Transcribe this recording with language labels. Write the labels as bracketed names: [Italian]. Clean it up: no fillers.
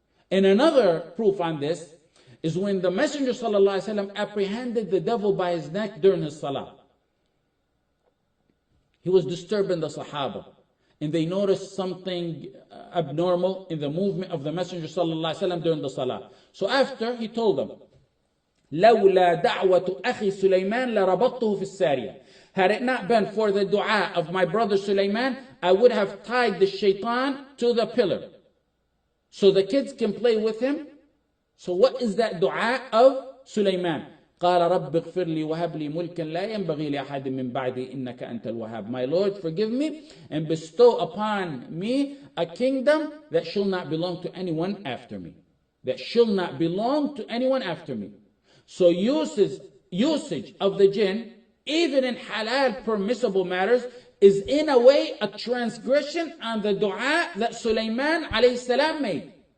[English] And another proof on this is when the Messenger sallallahu alaihi wasallam apprehended the devil by his neck during his salah. He was disturbing the Sahaba, and they noticed something abnormal in the movement of the Messenger sallallahu alaihi wasallam during the salah. So after, he told them, [Arabic] لولا دعوة أخي سليمان لربطته في السارية. [English] Had it not been for the dua of my brother Sulaiman, I would have tied the shaitan to the pillar so the kids can play with him. So what is that dua of Sulaiman? [Arabic] قال رب اغفر لي وهب لي ملكا لا ينبغي لأحد من بعدي إنك أنت الوهاب. [English] My Lord, forgive me and bestow upon me a kingdom that shall not belong to anyone after me. That shall not belong to anyone after me. So usage of the jinn, even in halal permissible matters, is in a way a transgression on the dua that Sulaiman alayhi salam made.